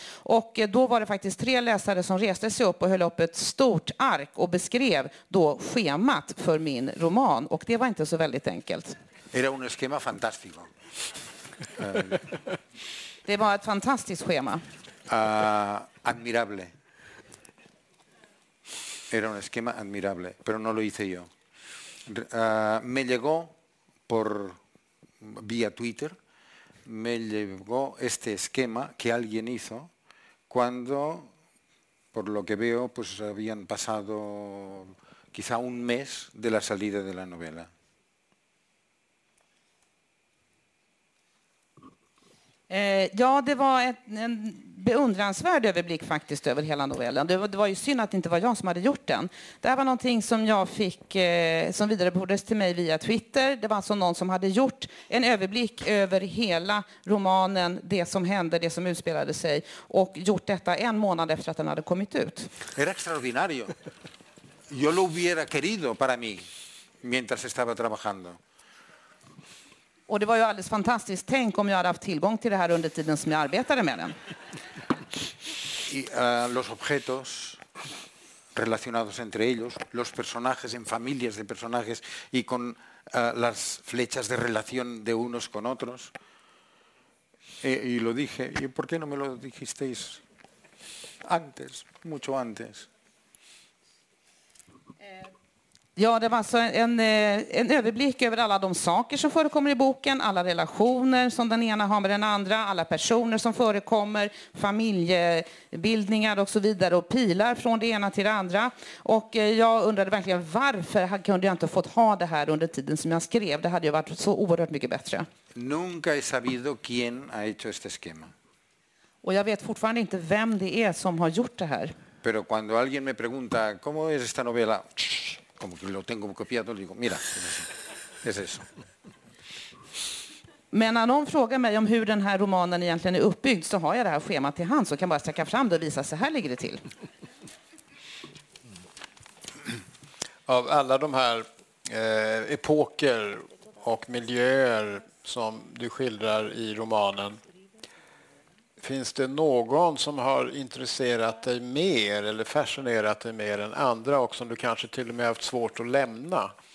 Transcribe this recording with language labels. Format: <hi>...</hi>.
<sv>Och då var det faktiskt 3 läsare som reste sig upp och höll upp ett stort ark och beskrev då schemat för min roman. Och det var inte så väldigt enkelt.</sv> <es>Era un esquema fantástico.</es> <sv>Det var ett fantastiskt schema.</sv> <es>Admirable. Era un esquema admirable, pero no lo hice yo. Me llegó por vía Twitter, me llegó este esquema que alguien hizo cuando, por lo que veo, pues habían pasado quizá un mes de la salida de la novela.</es> <sv>Ja, det var en beundransvärd överblick faktiskt över hela novellen. Det var ju synd att det inte var jag som hade gjort den. Det här var någonting som jag fick, som vidarebefordrades till mig via Twitter. Det var alltså någon som hade gjort en överblick över hela romanen, det som hände, det som utspelade sig, och gjort detta en månad efter att den hade kommit ut. Det var extraordinario.</sv> <es>Jag lo hubiera querido para mí mientras estaba trabajando.</es> <sv>Och det var ju alldeles fantastiskt. Tänk om jag hade haft tillgång till det här under tiden som jag arbetade med den.</sv> <es>Los objetos relacionados entre ellos, los personajes en familias de personajes y con las flechas de relación de unos con otros. Y lo dije, ¿y por qué no me lo dijisteis antes, mucho antes?</es> <sv>Ja, det var alltså en överblick över alla de saker som förekommer i boken, alla relationer som den ena har med den andra, alla personer som förekommer, familjebildningar och så vidare, och pilar från det ena till det andra. Och jag undrade verkligen varför kunde jag inte fått ha det här under tiden som jag skrev. Det hade ju varit så oerhört mycket bättre.</sv> <es>Nunca he sabido quién ha hecho este esquema.</es> <sv>Och jag vet fortfarande inte vem det är som har gjort det här.</sv> <es>Pero cuando alguien me pregunta cómo es esta novela, como que lo tengo copiado, digo, mira, es eso.</es> <sv>Men när någon frågar mig om hur den här romanen egentligen är uppbyggd, så har jag det här schemat till hand, så kan bara sträcka fram det och visa, så här ligger det till. Av alla de här epoker och miljöer som du skildrar i romanen, finns det någon som har intresserat dig mer eller fascinerat dig mer än andra, och som du kanske till och med haft svårt att lämna?</sv>